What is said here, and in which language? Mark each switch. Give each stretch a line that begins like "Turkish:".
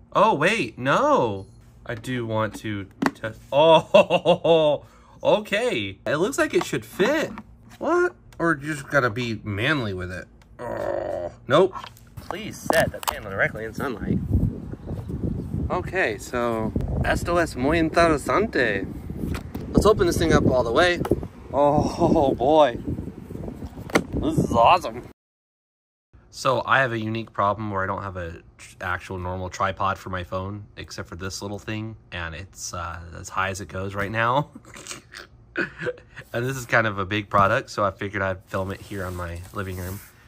English: Oh, wait, no. I do want to test... Oh, okay. It looks like it should fit. What? Or you just gotta be manly with it. Oh, nope. Please set the panel directly in sunlight. Okay, so...
Spanish: Esto es muy interesante.
English: Let's open this thing up all the way. Oh, boy. This is awesome. So I have a unique problem where I don't have a actual normal tripod for my phone, except for this little thing. And it's as high as it goes right now. And this is kind of a big product, so I figured I'd film it here on my living room.